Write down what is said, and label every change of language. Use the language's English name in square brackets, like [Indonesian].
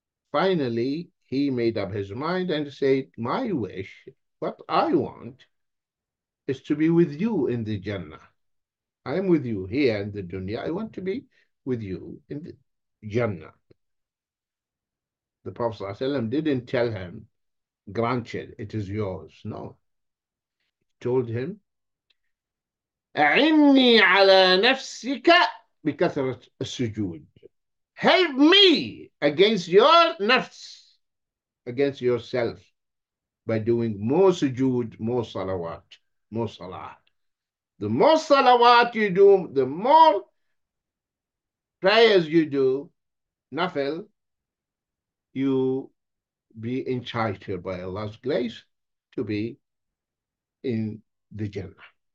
[English] Finally, he made up his mind and said, my wish, what I want, is to be with you in the Jannah. I am with you here in the dunya. I want to be with you in the Jannah. The Prophet ﷺ didn't tell him, granted, it is yours. No. He told him, [Arabic] أعني على نفسك بكثرة السجود. [English] Help me against your nafs, against yourself, by doing more sujood, more salawat, more salah. The more salawat you do, the more prayers you do, nafil, you be entitled by Allah's grace to be in the Jannah.